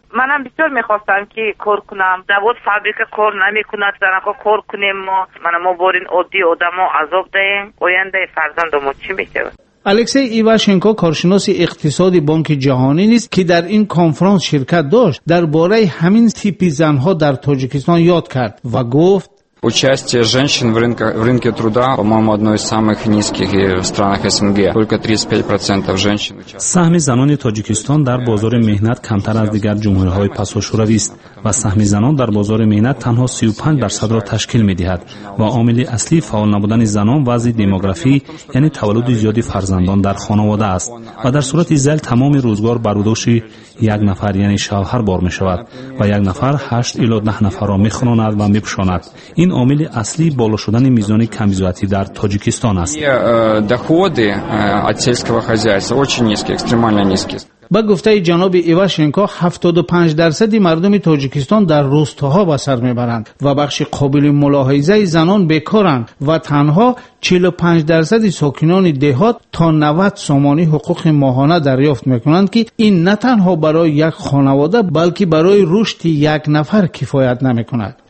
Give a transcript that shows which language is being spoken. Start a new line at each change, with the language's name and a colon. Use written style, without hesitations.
Persian: منم بسیار میخواستم که کار کنم، دوست فابریکه کار نمیکند، زنها کار کنیم، ما بارین عادی آدم ها عذاب دهیم، آینده فرزند ما چی میشود؟ الکسی ایواشنکو کارشناس اقتصادی بانک جهانی نیست که در این کنفرانس شرکت داشت، در باره همین تیپی زنها در تاجیکستان یاد کرد و گفت:
Russian: Участие женщин в рынке труда, по-моему, одно из самых низких и в странах СНГ. Только 35% женщин участвуют.
Tajik: Сами занони Таджикистан дар бозори меҳнат камтар аз дигар ҷумҳуриҳои пасошӯравист ва саҳми занон дар бозори меҳнат танҳо 35%-ро ташкил медиҳад ва омили аслӣ фаъол набудани занон вазъи демографӣ, яъне таваллуди зиёди фарзандон дар хонавода аст ва дар сурати зайл тамоми рӯзгор бар удоши як нафар яъне шавҳар бор мешавад ва як нафар 8 ило 10 нафарро мехонад ва мепушонад. Ин омили аслӣ боло шудани мизони камбизоатӣ дар Тоҷикистон аст.
Russian: Доходи аз сельского хозяйства очень низкие, экстремально низкие.
Persian: به گفته جناب ایواشنکا 75% مردم تاجیکستان در روستاها به سر میبرند و بخش قابل ملاحظه زنان بیکارند و تنها 45% ساکنان دهات تا 90 سومانی حقوق ماهانه دریافت میکنند که این نه تنها برای یک خانواده بلکه برای رشد یک نفر کفایت نمیکند.